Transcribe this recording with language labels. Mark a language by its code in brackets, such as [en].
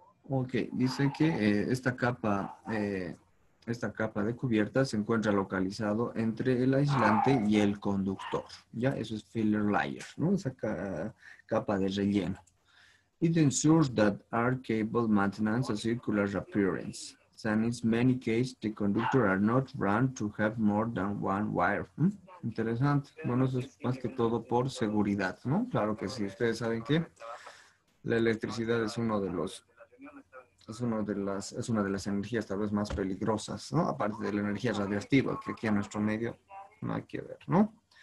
[es] Ok, dice que esta capa de cubierta se encuentra localizado entre el aislante y el conductor. Ya, eso es filler layer, ¿no? Esa capa de relleno. [en] It ensures that our cable maintains a circular appearance. And in many cases, the conductor are not run to have more than one wire. [es] ¿Mm? Interesante. Bueno, eso es más que todo por seguridad, ¿no? Claro que sí. Ustedes saben que la electricidad es uno de los... Es una de las energías tal vez más peligrosas, ¿no? Aparte de la energía radioactiva, que aquí en nuestro medio no hay que ver, ¿no?